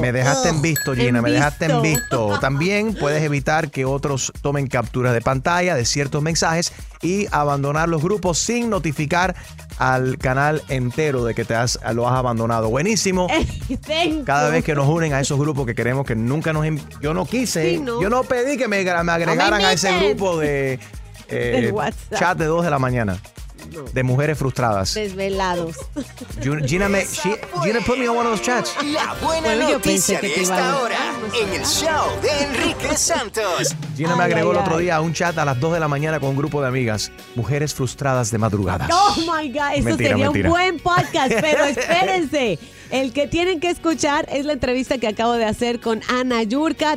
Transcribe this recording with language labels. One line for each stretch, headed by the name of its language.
Spanish: Me dejaste en visto, Gina, dejaste en visto. También puedes evitar que otros tomen capturas de pantalla de ciertos mensajes y abandonar los grupos sin notificar al canal entero de que lo has abandonado. Buenísimo. Cada vez que nos unen a esos grupos que queremos que nunca nos... Yo no quise. Sí, ¿no? Yo no pedí que me agregaran a ese grupo de chat de 2 de la mañana. No. De mujeres frustradas. Desvelados.
English: Gina put me on one of those chats.
Spanish: La buena noticia de esta hora en el show de Enrique Santos. Gina me agregó el otro día a un chat a las 2 de la mañana con un grupo de amigas. Mujeres frustradas de madrugada.
English: Oh my God.
Spanish: Eso sería un buen podcast, pero espérense. El que tienen que escuchar es la entrevista que acabo de hacer con Ana Yurka.